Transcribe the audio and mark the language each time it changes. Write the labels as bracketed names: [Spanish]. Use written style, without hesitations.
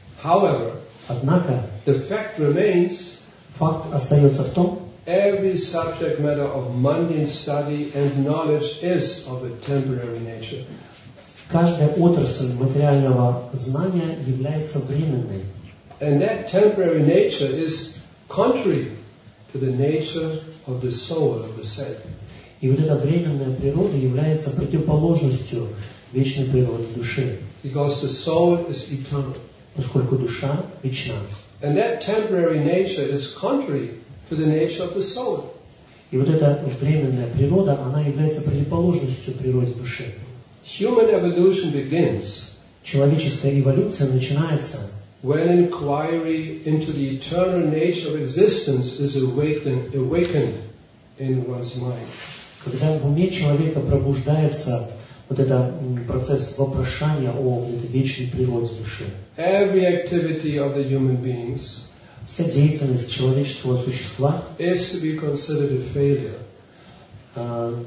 [English] However, [Russian] однако, [English] the fact remains, [Russian] факт остается в том, [English] every subject matter of mundane study and knowledge is of a temporary nature. [Russian] Каждая отрасль материального знания является временной. [English] And that temporary nature is contrary to the nature of the soul of the said. [Russian] И вот эта временная природа является противоположностью вечной природы души. [English] Because the soul is eternal. [Russian] Поскольку душа вечна. [English] And that temporary nature is contrary to the nature of the soul. [Russian] И вот эта временная природа, она является противоположностью природе души. [English] Human evolution begins. [Russian] Человеческая эволюция начинается. [English] When inquiry into the eternal nature of existence is awakened in one's mind. [Russian] Когда в уме человека пробуждается вот это процесс вопрошания о этой вечной природе души. [English] Every activity of the human beings, [Russian] вся деятельность человеческого существа, [English] is to be considered a failure,